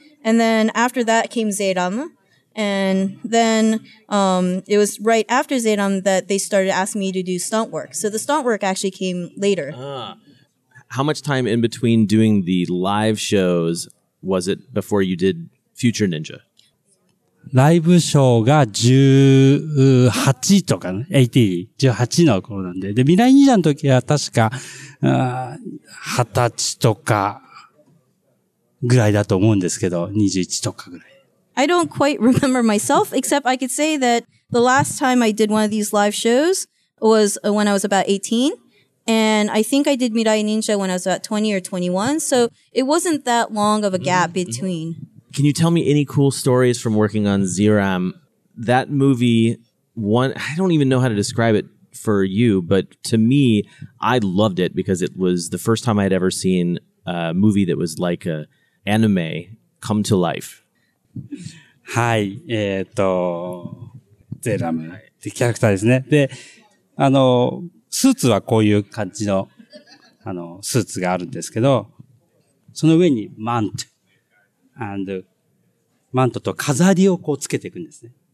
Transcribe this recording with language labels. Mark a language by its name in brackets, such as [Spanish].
[English] And then after that came Zeram. And then it was right after Zeram that they started asking me to do stunt work. So the stunt work actually came later. How much time in between doing the live shows was it before you did Future Ninja? [Japanese] Live show が18とかね、18の頃なんで。で、未来忍者の時は確か、20歳とかぐらいだと思うんですけど、21とかぐらい。 [English] I don't quite remember myself, except I could say that the last time I did one of these live shows was when I was about 18. And I think I did Mirai Ninja when I was about 20 or 21. So it wasn't that long of a gap between. Can you tell me any cool stories from working on Ziram? That movie, one, I don't even know how to describe it for you, but to me, I loved it because it was the first time I had ever seen a movie that was like a anime come to life. [Japanese] はい、ゼラムってキャラクターですね。で、スーツはこういう感じの、スーツがあるんですけど、その上にマントと飾りをこうつけていくんですね。